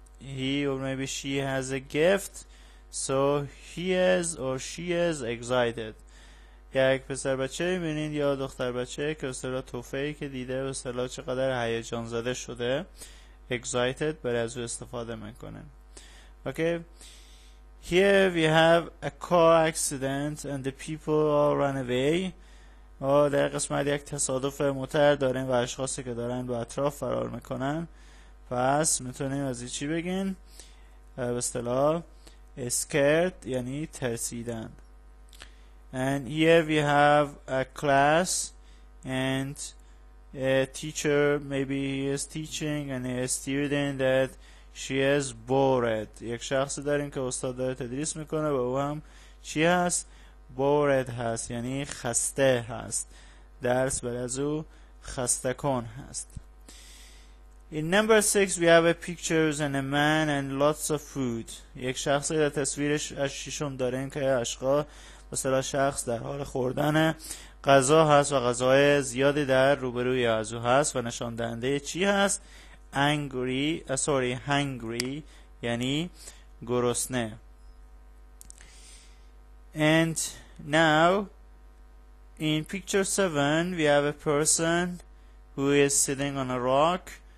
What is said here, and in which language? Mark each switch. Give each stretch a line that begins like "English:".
English: maybe she has a gift, so he is or she is excited.
Persian: یک پسر بچه میبینید یا دختر بچه که به اصطلاح تحفه‌ای که دیده به اصطلاح چقدر هیجان زده شده، excited، برای از او استفاده میکنه.
English: Okay, here we have a car accident and the people all run away.
Persian: در قسمت یک تصادف موتر داریم و اشخاصی که دارن به اطراف فرار میکنن. پس میتونیم از چی بگین؟ به اصطلاح scared یعنی ترسیدن.
English: And here we have a class and a teacher, maybe he is teaching and a student that she is bored.
Persian: یک شخص داریم که استاد داره تدریس میکنه و او هم چی هست؟ bored هست، یعنی خسته هست. درس برای از او خسته کن هست.
English: In number 6 we have a pictures and a man and lots of food.
Persian: یک شخص در تصویرش از ششم داریم که اشقا مثلا شخص در حال خوردن غذا هست و غذای زیادی در روبروی از او هست و نشان دهنده چی هست؟ hungry یعنی گرسنه.
English: And now in picture 7 we have a person who is sitting on a rock.